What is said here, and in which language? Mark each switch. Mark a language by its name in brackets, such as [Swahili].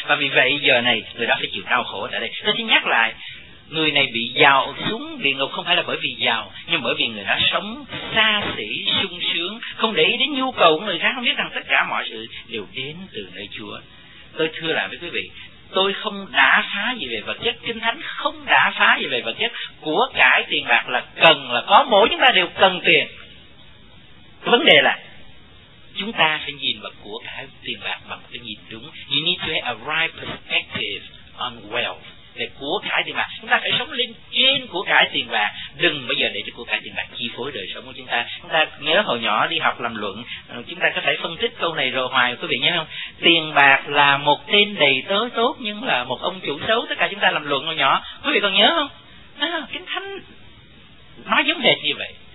[Vietnamese] Và vì vậy giờ này người đó phải chịu đau khổ tại đây. Tôi xin nhắc lại, người này bị giàu xuống địa ngục không phải là bởi vì giàu, nhưng bởi vì người đó sống xa xỉ, sung sướng, không để ý đến nhu cầu của người khác, không biết rằng tất cả mọi sự đều đến từ nơi Chúa. Tôi thưa lại với quý vị, tôi không đã phá gì về vật chất, Kinh Thánh không đã phá gì về vật chất. Của cải tiền bạc là cần, là có, mỗi chúng ta đều cần tiền. Vấn đề là chúng ta phải nhìn vào của cải tiền bạc bằng cái nhìn đúng. [English] You need to have a right perspective on wealth. [Vietnamese] Về của cải tiền bạc, chúng ta phải sống lên trên của cải tiền bạc. Đừng bây giờ để cho của cải tiền bạc chi phối đời sống của chúng ta. Chúng ta nhớ hồi nhỏ đi học làm luận, chúng ta có thể phân tích câu này rồi hoài, quý vị nhớ không? Tiền bạc là một tên đầy tớ tốt nhưng là một ông chủ xấu. Tất cả chúng ta làm luận hồi nhỏ, quý vị còn nhớ không? Kinh Thánh nói giống hệt như vậy.